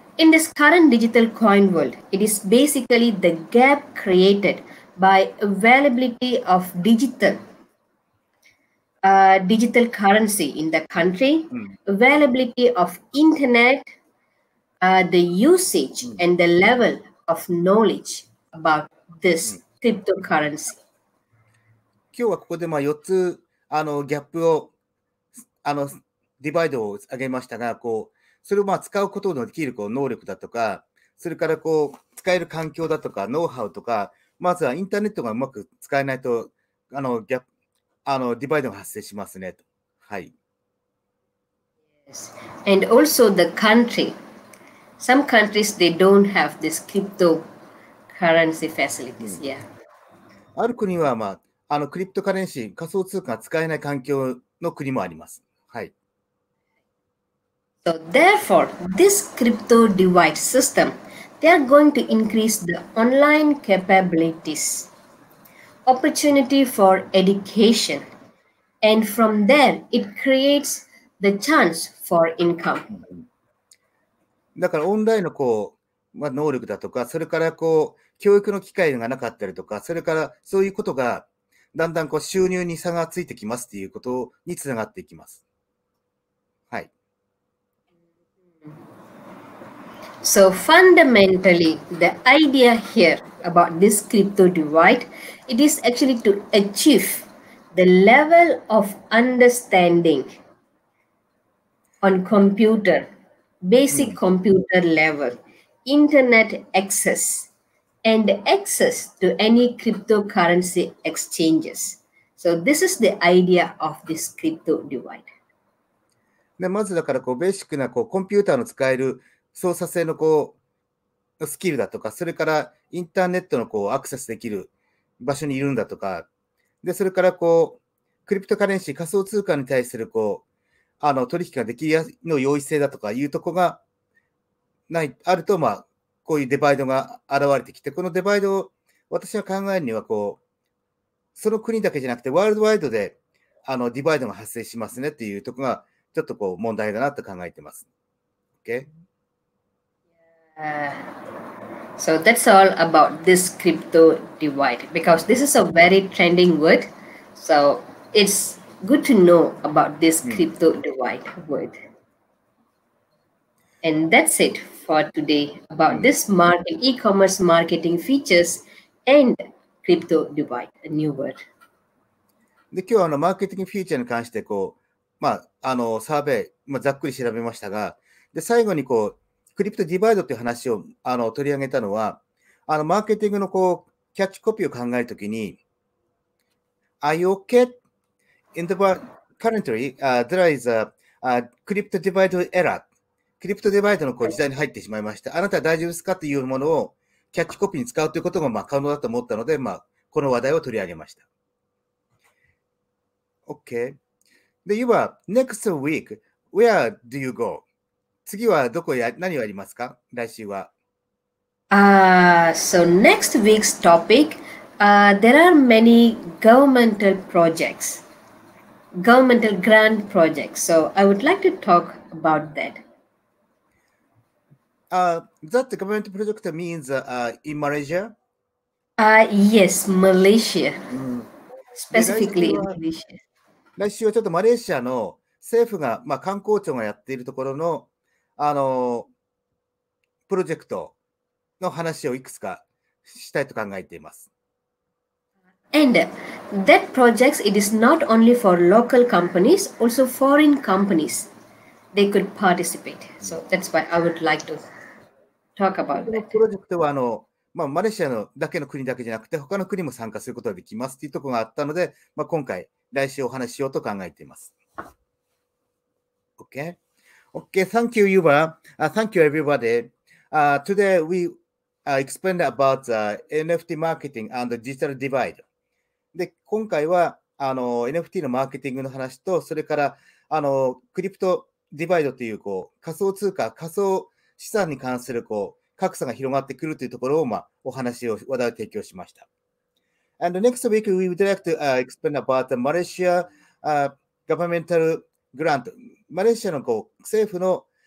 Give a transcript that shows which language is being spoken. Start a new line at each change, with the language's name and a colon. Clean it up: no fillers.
English: In this current digital coin world, it is basically the gap created by availability of digital currency in the country, availability of internet, the usage and the level of knowledge about this cryptocurrency.
Japanese: 今日はここでまあ4つあのギャップをあのディバイドを挙げましたが、こうそれをまあ使うことのできるこう能力だとか、それからこう使える環境だとかノウハウとか、まずはインターネットがうまく使えないとあのギャップあのディバイドが発生しますね。はい。
English: Yes. And also the country. Some countries they don't have this cryptocurrency facilities. Yeah.
Japanese: ある国はまああのクリプトカレンシー仮想通貨が使えない環境の国もあります。はい。
English: So therefore, this crypto device system, they are going to increase the online capabilities. Opportunity for education, and from there it creates the chance for income.
Japanese: だからオンラインのこう、まあ、能力だとか、それからこう教育の機会がなかったりとか、それからそういうことがだんだんこう収入に差がついてきますということにつながっていきます。はい。
English: So fundamentally, the idea here about this crypto divide, it is actually to achieve the level of understanding on computer, basic computer level, internet access, and access to any cryptocurrency exchanges. So this is the idea of this crypto divide.
Japanese: で、まずだからこうベーシックなこうコンピューターの使える操作性のこうスキルだとか、それからインターネットのこうアクセスできる場所にいるんだとか、でそれからこうクリプトカレンシー仮想通貨に対するこうあの取引ができるの容易性だとかいうとこがないあると、まあこういうデバイドが現れてきて、このデバイドを私が考えるにはこうその国だけじゃなくてワールドワイドであのディバイドが発生しますねっていうとこがちょっとこう問題だなと考えてます。
English: OK? So that's all about this crypto divide, because this is a very trending word, so it's good to know about this crypto divide word. And that's it for today about this market, e-commerce marketing features and crypto divide, a new word.
Japanese: で、今日はあのマーケティングフューチャーに関してこう、まあ、あのサーベイ、まあ、ざっくり調べましたが、で最後にこうクリプトディバイドという話をあの取り上げたのは、あのマーケティングのこうキャッチコピーを考えるときに、
English: Are you okay? In the currently, there is a crypto divide error.
Japanese: クリプトディバイドのこう時代に入ってしまいました。あなたは大丈夫ですかというものをキャッチコピーに使うということがまあ可能だと思ったので、まあ、この話題を取り上げました。
English: OK. で、You are next week. Where do you go?
Japanese: 次はどこや何をやりますか来週は。
English: So next week's topic, there are many governmental projects, governmental grant projects. So I would like to talk about that. That the government project means in Malaysia? Yes, Malaysia. Specifically in Malaysia.
Japanese: 来週はちょっとマレーシアの政府が、まあ、観光庁がやっているところのあのプロジェクトの話をいくつかしたいと考えています。
English: And that project, it is not only for local companies, also foreign companies. They could participate. So that's why I would like to talk about that.
Japanese: プロジェクトはあの、まあ、マレーシアのだけの国だけじゃなくて、他の国も参加することができますというところがあったので、まあ、今回、来週お話ししようと考えています。
English: OK? Okay, thank you, Yuva. Thank you, everybody. Today we explained about NFT marketing and the digital divide.
Japanese: で、今回はあの NFT のマーケティングの話と、それからあのクリプトディバイドというこう仮想通貨、仮想資産に関するこう格差が広がってくるというところをまあお話を話題を提供しました。
English: And next week we would like to explain about the Malaysia governmental grant.
Japanese: マレーシアのこう政府の